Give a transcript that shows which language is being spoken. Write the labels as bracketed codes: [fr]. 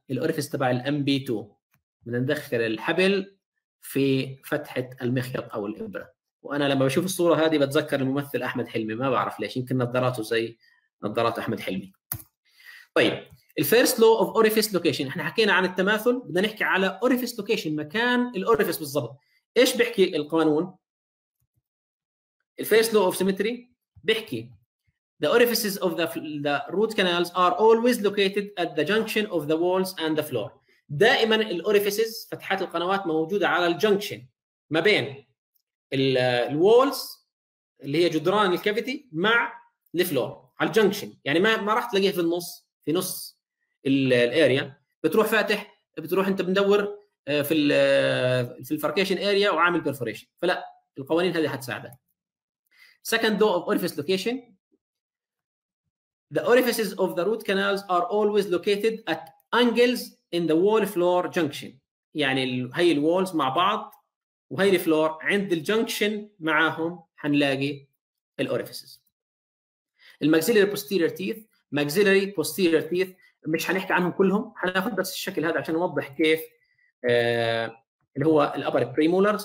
[ar] الأورفيس تبع الام بي 2 بندخل الحبل في فتحه المخيط او الابره. وانا لما بشوف الصوره هذه بتذكر الممثل احمد حلمي، ما بعرف ليش، يمكن نظاراته زي نظارات احمد حلمي. طيب الفيرست لو اوف اوريفيس لوكيشن، احنا حكينا عن التماثل، بدنا نحكي على اوريفيس لوكيشن، مكان الاوريفيس بالضبط. ايش بيحكي القانون؟ الفيرست لو اوف سيمتري بيحكي [en] the orifices of the root canals are always located at the junction of the walls and the floor. [ar] دائما الاوريفيسز فتحات القنوات موجوده على الجنكشن ما بين الوالز اللي هي جدران الكافيتي مع الفلور على الجنكشن، يعني ما راح تلاقيها في النص، في نص الاريا بتروح فاتح، بتروح انت بندور في الفركيشن اريا وعامل بيرفوريشن، فلا القوانين هذه حتساعدك. [en] Second law of orifice location, the orifices of the root canals are always located at angles in the wall floor junction. [ar] يعني هاي الوالز مع بعض وهي الفلور عند الجنكشن معاهم حنلاقي الاوريفيسز. الماكسيلري بوستيرير تيث، ماكسيلري بوستيرير تيث مش هنحكي عنهم كلهم، حناخذ بس الشكل هذا عشان نوضح كيف اللي هو الابر بريمولرز.